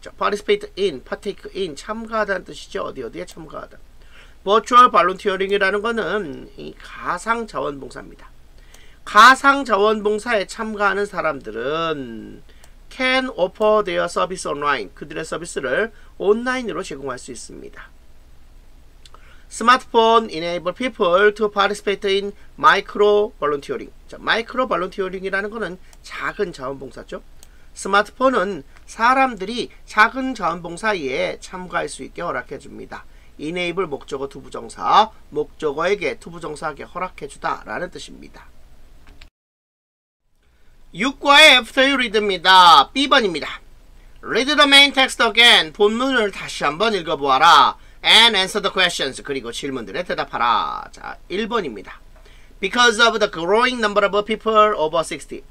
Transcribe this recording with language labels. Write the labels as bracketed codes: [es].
[ko] 자, [en] participate in, partake in, [ko] 참가하다는 뜻이죠. 어디 어디에 참가하다. Virtual volunteering이라는 것은 이 가상 자원봉사입니다. 가상 자원봉사에 참가하는 사람들은 [en] can offer their service online. [ko] 그들의 서비스를 온라인으로 제공할 수 있습니다. [en] Smartphone enable people to participate in micro volunteering. [ko] 자, micro volunteering이라는 것은 작은 자원봉사죠. 스마트폰은 사람들이 작은 자원봉사에 참가할 수 있게 허락해 줍니다. enable 목적어 to 부정사, 목적어에게 to 부정사에게 허락해 주다라는 뜻입니다. [en] 6과의 After You Read입니다. [ko] B번입니다. [en] Read the main text again. [ko] 본문을 다시 한번 읽어보아라. [en] And answer the questions. [ko] 그리고 질문들에 대답하라. 자, 1번입니다. [en] Because of the growing number of people over 60.